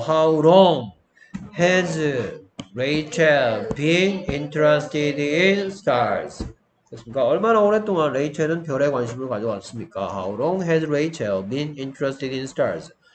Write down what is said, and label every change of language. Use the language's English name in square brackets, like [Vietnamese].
[English] How long has Rachel been interested in stars? [Korean] 됐습니까? 얼마나 오랫동안 레이첼은 별에 관심을 가져왔습니까? [English] How long has Rachel been interested in stars?